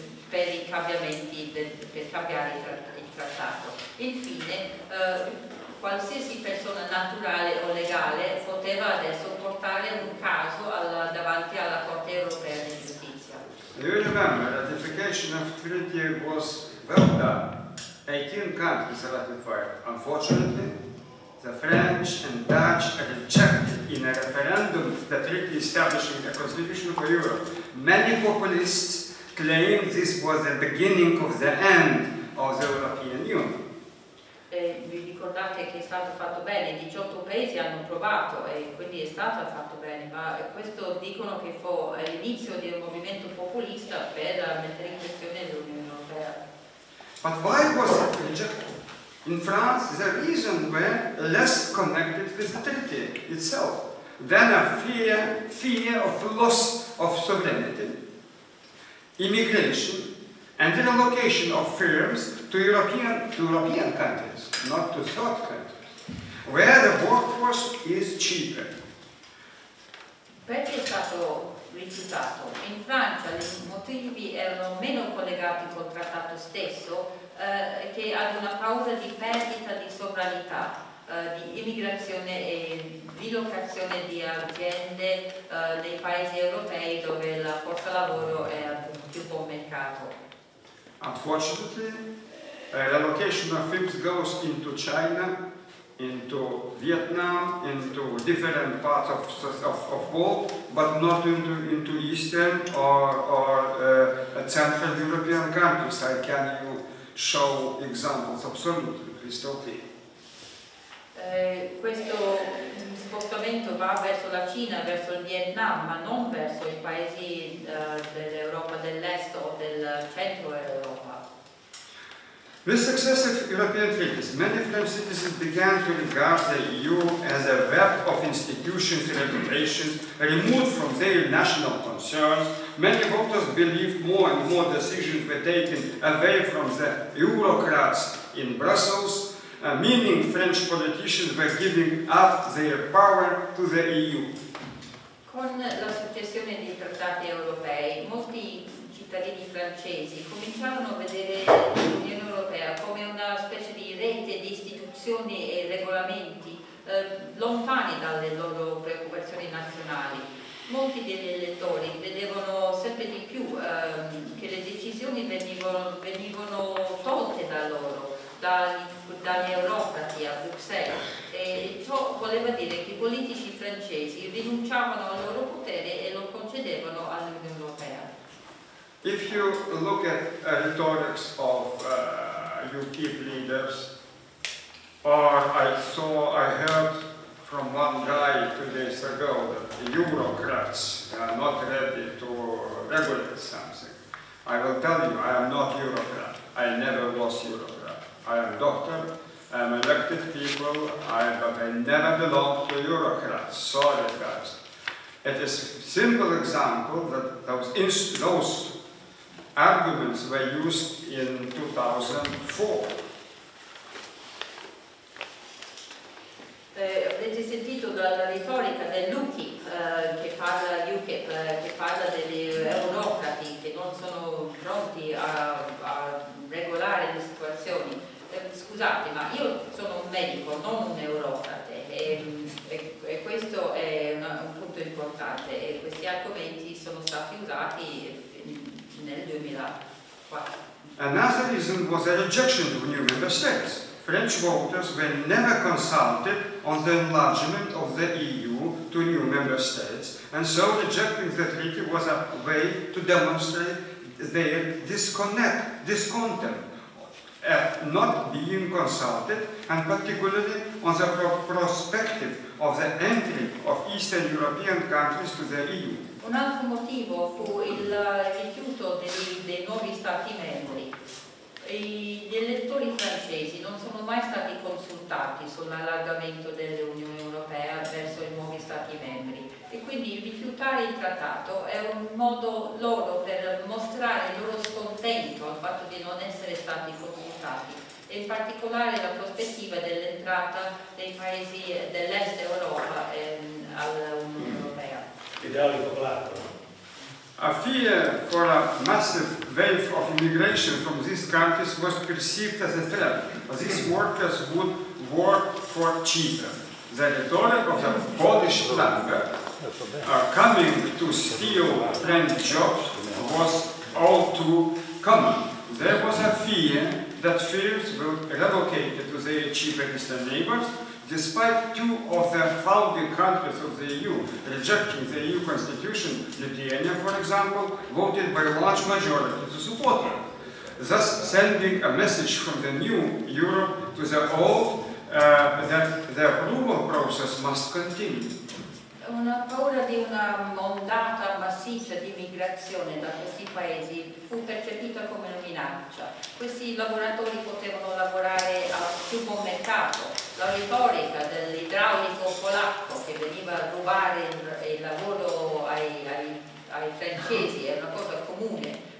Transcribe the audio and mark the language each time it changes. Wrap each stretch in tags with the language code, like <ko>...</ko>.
<it>Per i cambiamenti, per cambiare il trattato. Infine, qualsiasi persona naturale o legale poteva adesso portare un caso davanti alla Corte Europea di Giustizia.</it> <en>You remember, the ratification of the treaty was well done. 18 countries ratified. Unfortunately, the French and Dutch rejected in a referendum the treaty establishing a constitution for Europe. Many populists claim this was the beginning of the end of the European Union.</en> <it>Vi ricordate che è stato fatto bene, 18 paesi hanno provato e quindi è stato fatto bene, ma questo dicono che fu l'inizio di un movimento populista per mettere in questione l'Unione Europea.</it> <en>But why was it rejected? In France, the reason were less connected with the treaty itself than a fear of loss of sovereignty. Immigration and the relocation of firms to European countries, not to third countries, where the workforce is cheaper.</en> <it>Perché è stato rifiutato? In Francia i motivi erano meno collegati col trattato stesso che ad una paura di perdita di sovranità, di immigrazione e rilocazione di aziende nei paesi europei dove la forza lavoro è più buon mercato.</it> <en>Unfortunately, relocation of firms goes into China, into Vietnam, into different parts of world, but not into Eastern or Central European countries. I can you show examples? Absolutely, Christophe.</en> <it>Questo spostamento va verso la Cina, verso il Vietnam, ma non verso i paesi dell'Europa dell'Est o del Centro Europa.</it> <en>With successive European treaties, many French citizens began to regard the EU as a web of institutions and regulations removed from their national concerns. Many voters believed more and more decisions were taken away from the bureaucrats in Brussels, meaning French politicians were giving up their power to the EU.</en> <it>Con la successione dei trattati europei, molti cittadini francesi cominciarono a vedere l'Unione Europea come una specie di rete di istituzioni e regolamenti lontani dalle loro preoccupazioni nazionali. Molti degli elettori vedevano sempre di più che le decisioni venivano tolte da loro, dall'Europa, a Bruxelles. voleva dire che i politici francesi rinunciavano al loro potere e lo concedevano all'Unione Europea.</it> <en>If you look at the rhetorics of UKIP leaders, or I heard from one guy 2 days ago that the Eurocrats are not ready to regulate something. I will tell you, I am not Eurocrat. I never was Eurocrat. I am doctor, I am elected people, but I never belong to Eurocrats. Sorry, guys. It is a simple example that those arguments were used in 2004.</en> <it>Avete sentito dalla retorica dell'UKIP che parla di UKIP, che parla degli eurocrati che non sono pronti a regolare le situazioni. Scusate, ma io sono un medico, non un eurocrate, e questo è un punto importante, e questi argomenti sono stati usati nel 2004.</it> <en>Another reason was a rejection of new member states. French voters were never consulted on the enlargement of the EU to new member states, and so rejecting the treaty was a way to demonstrate their discontent at not being consulted, and particularly on the prospective of the entry of Eastern European countries to the EU.</en> <it>Un altro motivo fu il rifiuto dei nuovi stati membri. Gli elettori francesi non sono mai stati consultati sull'allargamento dell'Unione Europea verso i nuovi Stati membri, e quindi rifiutare il trattato è un modo loro per mostrare il loro scontento al fatto di non essere stati consultati, e in particolare la prospettiva dell'entrata dei paesi dell'Est Europa all'Unione Europea.</it> <en>A fear for a massive wave of immigration from these countries was perceived as a threat. These workers would work for cheaper. The rhetoric of the Polish plumber coming to steal French jobs was all too common. There was a fear that firms would relocate to their cheaper Eastern neighbors, despite two of the founding countries of the EU rejecting the EU constitution, Lithuania, for example, voted by a large majority to support it, thus sending a message from the new Europe to the old that the approval process must continue.</en> <it>Una paura di una ondata massiccia di migrazione da questi paesi fu percepita come una minaccia. Questi lavoratori potevano lavorare al primo mercato. La retorica dell'idraulico polacco che veniva a rubare il lavoro ai francesi è una cosa comune.</it>